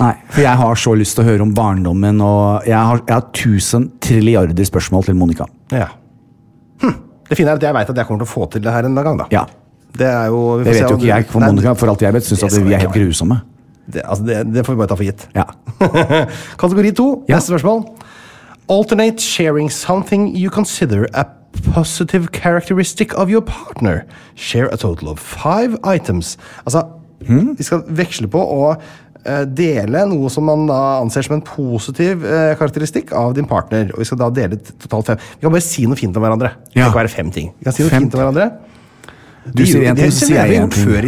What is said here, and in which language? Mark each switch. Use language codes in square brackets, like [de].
[no] Nei, for jeg har så lyst til å høre om barndommen, og jeg har 1000 trilliarder spørsmål til Monica. Ja. Det fine er at jeg vet at jeg kommer til å få til det her en gang, da. Ja. Det er jo... Det vet jo ikke jeg, for Monica, for alt jeg vet, synes at vi er helt grusomme. Det får vi bare ta for gitt. Ja. Kategori 2, neste spørsmål. [en] Alternate sharing something you consider a positive characteristic of your partner. Share a total of 5 items. [no] Altså, vi skal veksle på å dele noe som man da anser som en positiv karakteristikk av din partner, og vi skal da dele totalt 5. Vi kan bare si noe fint om hverandre. Det kan være 5 ting. Vi kan si noe fint om hverandre. Du sier en ting, så sier jeg en ting.